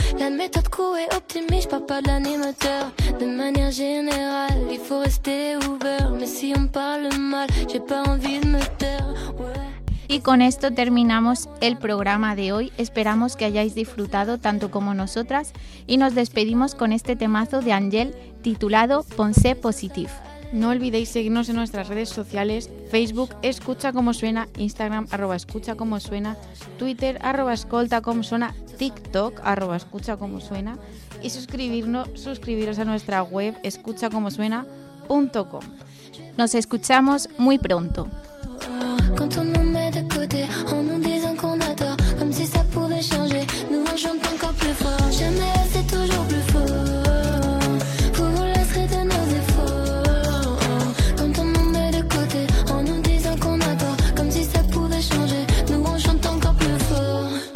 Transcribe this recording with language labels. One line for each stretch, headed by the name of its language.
French: La méthode Coué est optimiste, j'parle pas de l'animateur. De manière générale, il faut rester ouvert. Mais si on parle mal, j'ai pas envie de me taire.
Spanish: Y con esto terminamos el programa de hoy. Esperamos que hayáis disfrutado tanto como nosotras y nos despedimos con este temazo de Angel titulado Ponce Positive. No olvidéis seguirnos en nuestras redes sociales: Facebook Escucha Como Suena, Instagram arroba Escucha Como Suena, Twitter arroba Escolta Como Suena, TikTok arroba Escucha Como Suena y suscribiros a nuestra web escuchacomosuena.com. Nos escuchamos muy pronto.
French: Quand on nous met de côté, en nous disant qu'on adore, comme si ça pouvait changer, nous on chante encore plus fort. Jamais assez, toujours plus fort. Vous vous lasserez de nos efforts. Quand on nous met de côté, en nous disant qu'on adore, comme si ça pouvait changer, nous on chante encore plus fort.